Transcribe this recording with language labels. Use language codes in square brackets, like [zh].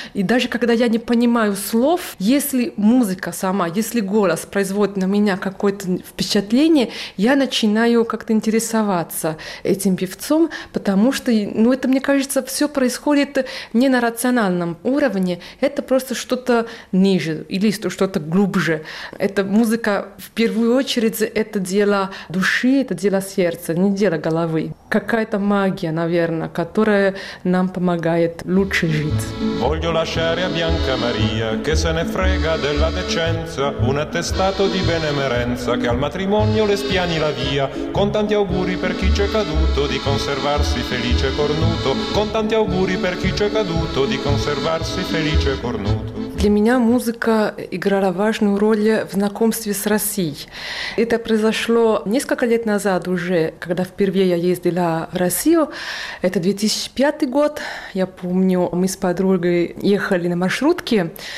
[ru] И даже когда я не понимаю слов, если музыка сама, если голос производит на меня какое-то впечатление, я начинаю как-то интересоваться этим певцом, потому что, ну, это, мне кажется, все происходит не на рациональном уровне, это просто что-то ниже или что-то глубже. Эта музыка, в первую очередь, это дело души, это дело сердца, не дело головы. Какая-то магия, наверное, которая нам помогает лучше жить. [it] Voglio lasciare a Bianca Maria, che se ne frega della decenza, un attestato di benemerenza, che al matrimonio le spiani la via, con tanti auguri per chi c'è caduto, di conservarsi felice cornuto, con tanti auguri per chi c'è caduto, di conservarsi felice cornuto. [ru] Для меня музыка играла важную роль в знакомстве с Россией. Это произошло несколько лет назад уже, когда впервые я ездила в Россию. Это 2005 год. Я помню, мы с подругой ехали на маршрутке.